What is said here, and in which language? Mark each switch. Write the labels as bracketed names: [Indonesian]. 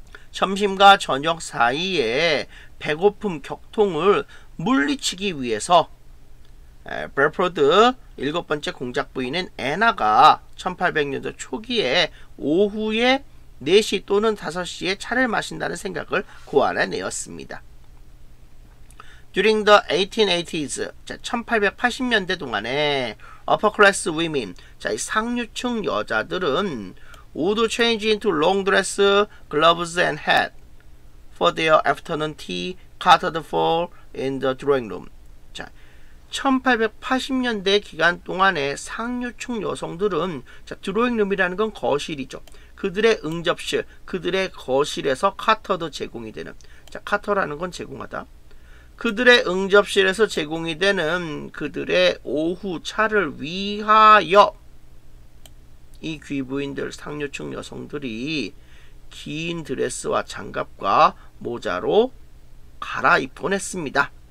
[Korean] 점심과 저녁 사이에 배고픔 격통을 물리치기 위해서 베포드 일곱 번째 공작 부인인 애나가 1800년도 초기에 오후에 4시 또는 5시에 차를 마신다는 생각을 고안해 내었습니다. [English] During the 1880s, [Korean] 자, 1880년대 동안에 [English] upper class women, [Korean] 자, 이 상류층 여자들은 [English] would change into long dress, gloves and hat for their afternoon tea catered for in the drawing room. [Korean] 1880년대 기간 동안에 상류층 여성들은 자, 드로잉룸이라는 건 거실이죠. 그들의 응접실, 그들의 거실에서 카터도 제공이 되는 자, 카터라는 건 제공하다. 그들의 응접실에서 제공이 되는 그들의 오후 차를 위하여 이 귀부인들, 상류층 여성들이 긴 드레스와 장갑과 모자로 갈아입곤 했습니다.